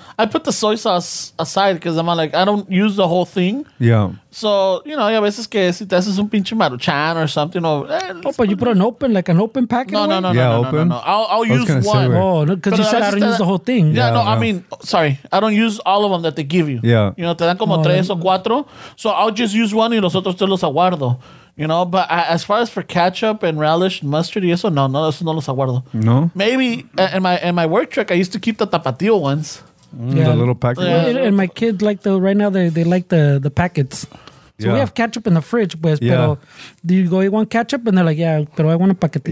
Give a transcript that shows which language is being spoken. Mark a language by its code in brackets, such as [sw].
[en] I put the soy sauce aside because I'm like, I don't use the whole thing. Yeah. So, you know, [es] a veces que si te haces un pinche maruchan [en] or something. Or, but you put an open, like an open packet? No, I'll use one. Oh, because you said I don't use the whole thing. I mean, sorry. I don't use all of them that they give you. Yeah. You know, [es] te dan como tres o cuatro. [en] So I'll just use one [es] y los otros te los aguardo. [en] You know, but as far as for ketchup and relish, mustard, [es] y eso, no, eso no los aguardo. [en] No? Maybe in my work truck, I used to keep the tapatio ones. The little packets. Yeah. And my kids like the right now they like the packets. So we have ketchup in the fridge, [es] pues, pero [en] do you go eat one ketchup and they're like, yeah, pero I want a paquetito.